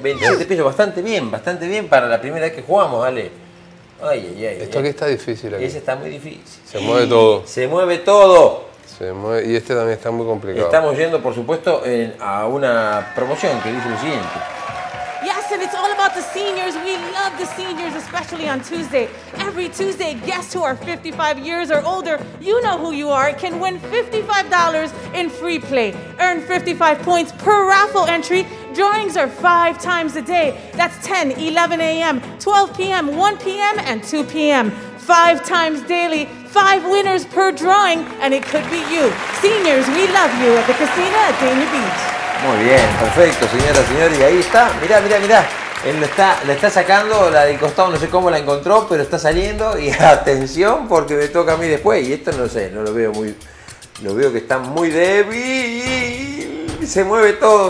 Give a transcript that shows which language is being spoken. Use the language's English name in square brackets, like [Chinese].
[Spanish] 27 pisos, bastante bien para la primera vez que jugamos, Ale. Ay, ay, ay. Esto aquí está difícil. Ese está muy difícil. Se mueve todo. Se mueve todo. Se mueve. Y este también está muy complicado. Estamos yendo, por supuesto, a una promoción que dice lo siguiente. [English] Yes, and it's all about the seniors. We love the seniors, especially on Tuesday. Every Tuesday, guests who are 55 years or older, you know who you are, can win $55 in free play. Earn 55 points per raffle entry. Drawings are 5 times a day. That's 10, 11 a.m., 12 p.m., 1 p.m., and 2 p.m. 5 times daily, 5 winners per drawing, and it could be you. Seniors, we love you at the casino at Dania Beach. [Spanish] Muy bien, perfecto, señora, señor, y ahí está. Mirá, mirá, mirá. Él le está sacando la del costado, no sé cómo la encontró, pero está saliendo. Y atención, porque me toca a mí después. Y esto no sé, no lo veo muy. Lo veo que está muy débil. Se mueve todo.